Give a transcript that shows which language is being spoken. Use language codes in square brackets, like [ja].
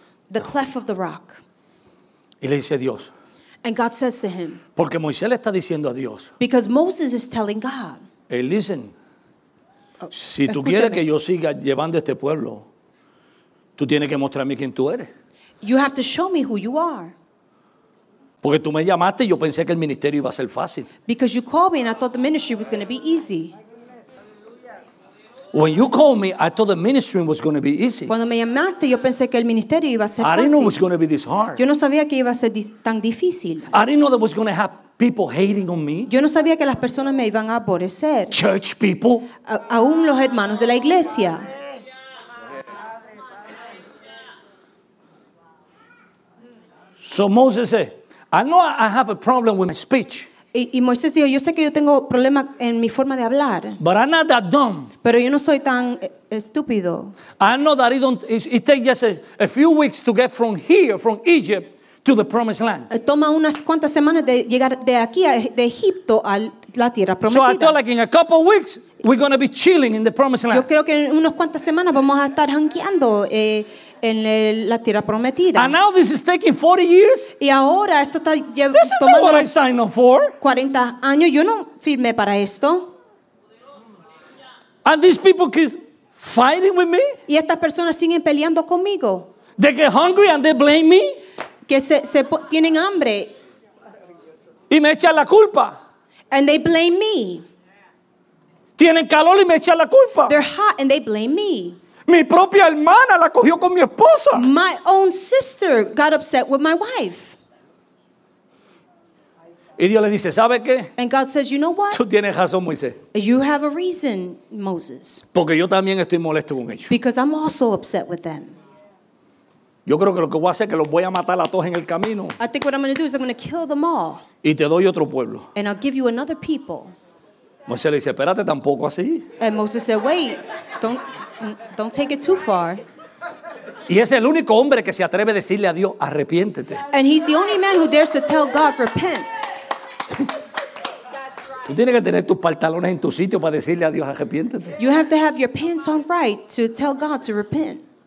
[en] The cleft of the rock. [es] Y le dice Dios. [en] And God says to him. [es] Porque Moisés le está diciendo a Dios. [en] Because Moses is telling God. Hey, listen. [es] Si tú quieres que yo siga llevando este pueblo, tú tienes que mostrarme quién tú eres. [en] You have to show me who you are. [es] Porque tú me llamaste y yo pensé que el ministerio iba a ser fácil. [en] Because you called me and I thought the ministry was going to be easy. When you called me, I thought the ministry was going to be easy. [es] Cuando me llamaste, yo pensé que el ministerio iba a ser fácil. [en] I didn't know it was going to be this hard. [es] Yo no sabía que iba a ser tan difícil. [en] I didn't know that was going to have people hating on me. [es] Yo no sabía que las personas me iban a aborrecer. [en] Church people. [es] Aún los hermanos de la iglesia. [en] So Moses said, I know I have a problem with my speech. [es] Y Moisés dijo, yo sé que yo tengo problema en mi forma de hablar. [en] But I'm not that dumb. [es] Pero yo no soy tan estúpido. [en] I know that it takes just a few weeks to get from here, from Egypt, to the promised land. [es] Toma unas cuantas semanas de llegar de aquí, de Egipto, a la tierra prometida. [en] So I thought like in a couple of weeks, we're going to be chilling in the promised land. [es] Yo creo que en unas cuantas semanas vamos a estar hanqueando en la tierra prometida. [en] And now this is taking 40 years. [es] Y ahora esto está tomando 40 años. Yo no firmé para esto. [en] And these people keep fighting with me. [es] Y estas personas siguen peleando conmigo. [en] They get hungry and they blame me. [es] Que se tienen hambre. Y me echan la culpa. [en] And they blame me. [es] Tienen calor y me echan la culpa. [en] They're hot and they blame me. [es] Mi propia hermana la cogió con mi esposa. [en] My own sister got upset with my wife. [es] Y Dios le dice, ¿sabe qué? [en] And God says, you know what? [es] Tú tienes razón, Moisés. [en] You have a reason, Moses. [es] Porque yo también estoy molesto con ellos. [en] Because I'm also upset with them. [es] Yo creo que lo que voy a hacer es que los voy a matar a todos en el camino. [en] I think what I'm going to do is I'm going to kill them all. [es] Y te doy otro pueblo. [en] And I'll give you another people. [es] Moisés le dice, espérate, tampoco así. [en] And Moses said, wait, don't take it too far. [es] Y es el único hombre que se atreve a decirle a Dios, arrepiéntete. [en] And he's the only man who dares to tell God, repent. [es] Tú tienes que tener tus pantalones en tu sitio para decirle a Dios, arrepiéntete. [en] You have to have your pants on right to tell God to repent.